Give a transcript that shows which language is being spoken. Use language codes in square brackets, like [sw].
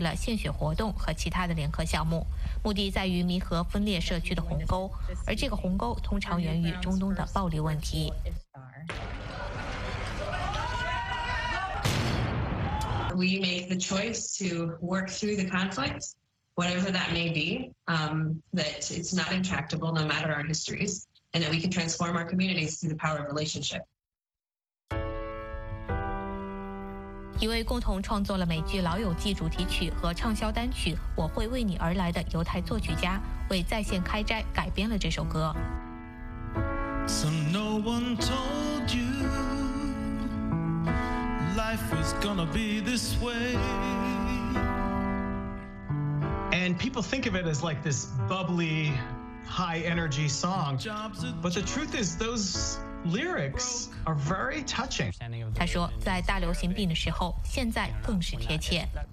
[zh] 从2006年以来，赞助线上开斋的新基础组织一直在促进穆斯林和犹太人之间的对话。在新冠病毒危机期间，这个组织参与了献血活动和其他的联合项目。目的在于弥合分裂社区的鸿沟，而这个鸿沟通常源于中东的暴力问题。 [en] We make the choice to work through the conflict, whatever that may be, that it's not intractable, no matter our histories, and that we can transform our communities through the power of relationship. [zh] 一位共同创作了美剧《老友记》主题曲和畅销单曲《我会为你而来》的犹太作曲家，为在线开斋改编了这首歌。 [en] So no one told you life was gonna be this way. And people think of it as like this bubbly, high energy song. But the truth is those lyrics are very touching. [zh] 他说，在大流行病的时候，现在更是贴切。